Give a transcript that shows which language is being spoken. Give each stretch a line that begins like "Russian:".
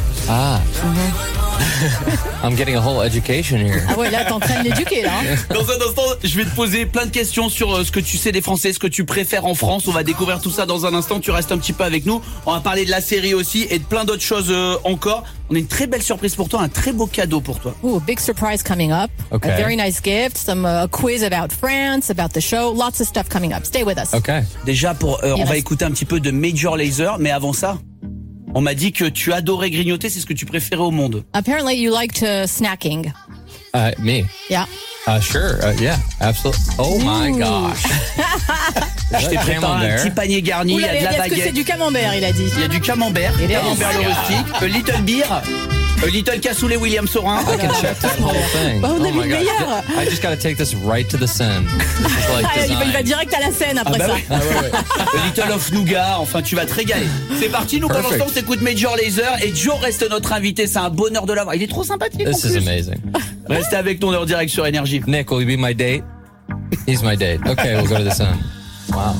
English: Ah. Mm-hmm. I'm getting a whole education here.
French: Ah ouais, là t'es en train de l'éduquer là. Dans un instant, je vais te poser plein de questions sur ce que tu sais des Français, ce que tu préfères en France. On va découvrir tout ça dans un instant. Tu restes un petit peu avec nous. On va parler de la série aussi et de plein d'autres choses encore. On a une très belle surprise pour toi, un très beau cadeau pour toi.
English: Ooh, big surprise coming up. Okay. A very nice gift, some a quiz about France, about the show, lots of stuff coming up. Stay with us. Okay.
French: Déjà pour on va écouter un petit peu de Major Lazer, mais avant ça, on m'a dit que tu adorais grignoter, c'est ce que tu préférais au monde.
English: Apparently, you liked snacking. Me? Yeah. Sure, yeah, absolutely. Oh my gosh.
French: Je t'ai préparé un petit panier garni, il y a de la baguette. Est-ce que c'est du camembert, il a dit? Il y a du camembert, camembert le rustique,
English: a little beer,
French: a little cassoulet William Sorin.
English: I can check this whole thing.
French: Bah, on a vu le meilleur.
English: I just gotta take this right to the scene. Like
French: il va direct à la scène après ça.
English: A little of nougat,
French: enfin tu vas te régaler. C'est parti, nous pendant ce temps, on s'écoute Major Lazer et Joe reste notre invité, c'est un bonheur de l'avoir. Il est trop sympathique.
English: This is amazing.
French: Restez avec nous en direct sur Énergie.
English: Nick, will you be my date? He's my date. Okay, we'll go to the sun. Wow.